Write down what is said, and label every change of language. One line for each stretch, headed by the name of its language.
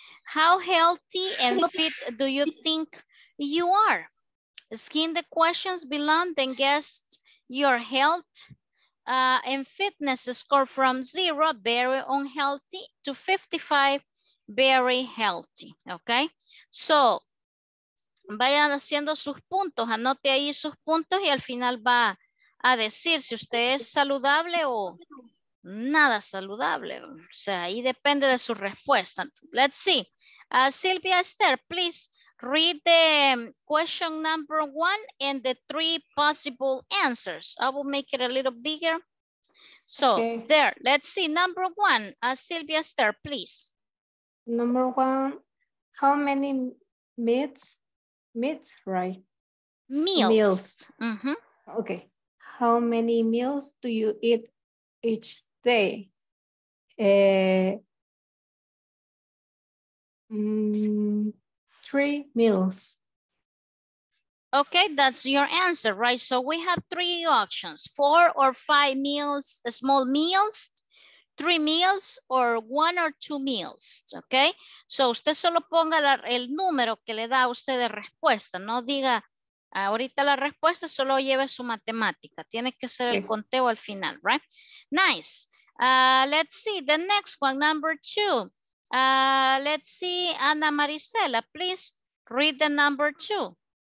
English: How healthy and fit do you think you are? Skin the questions below, then guess your health and fitness score from 0, very unhealthy, to 55, very healthy, okay?
Spanish: So, vayan haciendo sus puntos, anote ahí sus puntos y al final va a decir si usted es saludable o nada saludable. O sea, ahí depende de su respuesta.
English: Let's see. Silvia Esther, please read the question number one and the three possible answers. I will make it a little bigger. So okay. There, let's see. Number one, Silvia Esther, please. Number one, how many meals, right? Meals. Mm-hmm. Okay. How many meals do you eat each day? Three meals. Okay, that's your answer, right? So we have three options, 4 or 5 meals, small meals, 3 meals or 1 or 2 meals, okay?
Spanish: So usted solo ponga la, el número que le da a usted de respuesta, no diga ahorita la respuesta, solo lleve su matemática, tiene que ser el conteo al final, right?
English: Nice, let's see, the next one, number 2. Let's see, Ana Marisela, please read the number 2.